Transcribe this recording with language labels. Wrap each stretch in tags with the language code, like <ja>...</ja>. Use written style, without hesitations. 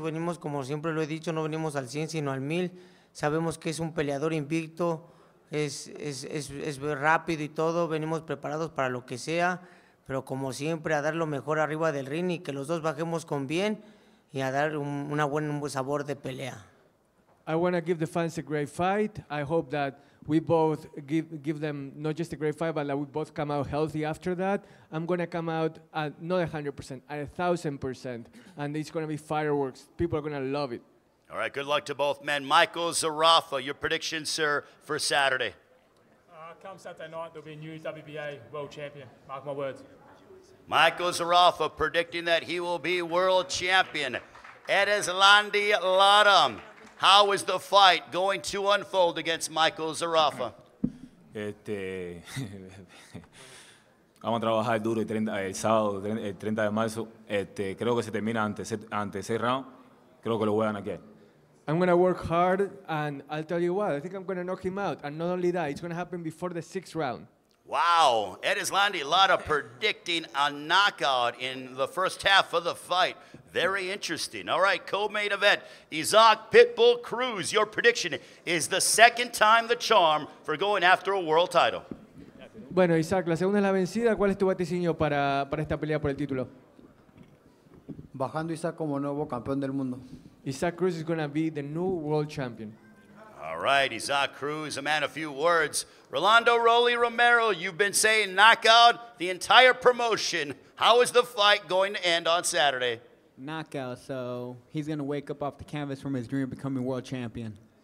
<es>Venimos, como siempre lo he dicho, no venimos al 100, sino al 1000. Sabemos que es un peleador invicto. Es rápido y todo. Venimos preparados para lo que sea. pero como siempre a dar lo mejor arriba del ring y que los dos bajemos con bien y a dar un buen sabor de pelea.</es> <en>I want to give the fans a great fight. I hope that we both give them not just a great fight, but that we both come out healthy after that. I'm going to come out at not 100%, at 1,000%, and it's going to be fireworks. People are going to love it. All right, good luck to both men. Michael Zarafa, your prediction, sir, for Saturday. Come Saturday night, there'll be a new WBA world champion. Mark my words. Michael Zarafa predicting that he will be world champion. Edeslandi Ladam. How is the fight going to unfold against Michael Zarafa?</en> <es>Vamos a trabajar duro el sábado, el 30 de marzo. Creo que se termina antes 6 rounds. Creo que lo voy a ganar.</es> <en>I'm going to work hard, and I'll tell you what, I think I'm going to knock him out. And not only that, it's going to happen before the 6th round. Wow. Edeslandi Lada predicting a knockout in the first half of the fight. Very interesting. All right, co-main event, Isaac Pitbull Cruz, your prediction is the second time the charm for going after a world title.</en> <es>Bueno, Isaac, la segunda es la vencida. ¿Cuál es tu vaticinio para esta pelea por el título? Bajando Isaac como nuevo campeón del mundo.</es> <en>Isaac Cruz is going to be the new world champion. All right, Isaac Cruz, a man of few words. Rolando Rolly Romero, you've been saying knockout the entire promotion. How is the fight going to end on Saturday? Knockout, so he's going to wake up off the canvas from his dream of becoming world champion.</en>